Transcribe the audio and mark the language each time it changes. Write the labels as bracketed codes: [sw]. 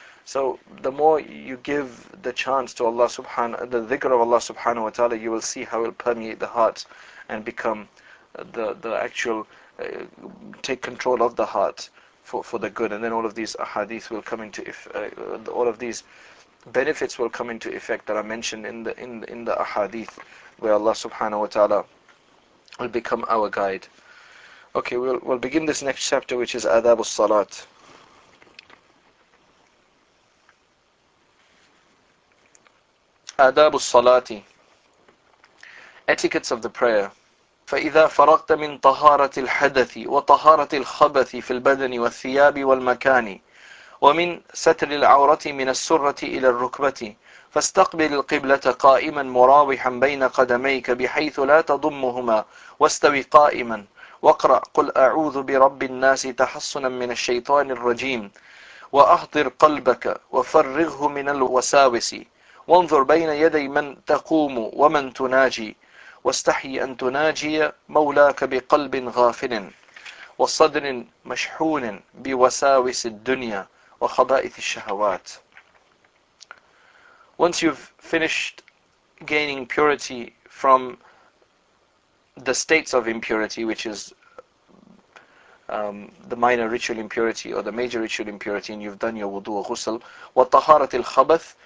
[en] So the more you give the chance to Allah the dhikr of Allah subhanahu wa ta'ala, you will see how it will permeate the heart and become the actual, take control of the heart for the good. And then all of these ahadith will come into effect, all of these benefits will come into effect that are mentioned in the ahadith, where Allah subhanahu wa ta'ala will become our guide. Okay, we'll begin this next chapter, which is Adab al-Salat. [ar] آداب الصلاة [en] Etiquettes of the prayer. [ar] فإذا فرغت من طهارة الحدث وطهارة الخبث في البدن والثياب والمكان ومن ستر العورة من السرة إلى الركبة فاستقبل القبلة قائما مراوحا بين قدميك بحيث لا تضمهما واستوي قائما واقرأ قل أعوذ برب الناس تحصنا من الشيطان الرجيم وأحضر قلبك وفرغه من الوساوس وانظر بين يدي من تقوم ومن تناجي واستحي أن تناجي مولاك بقلب غافل وصدر مشحون بوساوس الدنيا وخبائث الشهوات. [en] Once you've finished gaining purity from the states of impurity, which is the minor ritual impurity or the major ritual impurity, and you've done your wudu or ghusl, [ar] وطهارت الخبث.